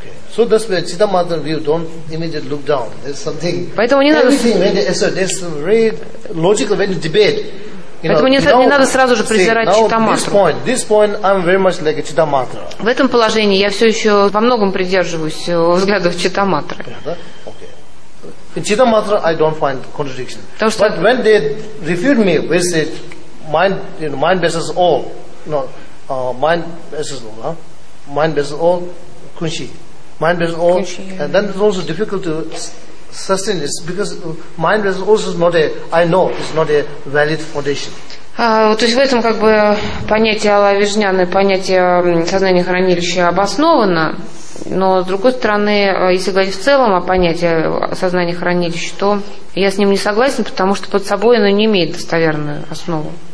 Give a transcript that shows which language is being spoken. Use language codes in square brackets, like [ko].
[en] So that's where Chitta Matra view, don't immediately look down. There's something. [ru] Поэтому не надо. [en] There's a very logical very debate. [ru] Поэтому не надо сразу же презирать Chitta Matra. [en] This point, I'm very much like a Chitta Matra. [ru] В этом положении я все еще во многом придерживаюсь взглядов Chitta Matra. [en] Okay. In Chitta Matra, I don't find contradiction. [ru] Потому что. [en] But when they refute me, they say, mind basis all, kunshi. Mind is all, and then it's also difficult to sustain this because mind is also not a, I know, it's not a valid foundation. [ru] То есть в этом как бы понятие Алая Виджняна, понятие сознания хранилища обосновано, но с другой стороны, если говорить в целом о понятии сознания хранилища, то я с ним не согласен, потому что под собой оно не имеет достоверную основу.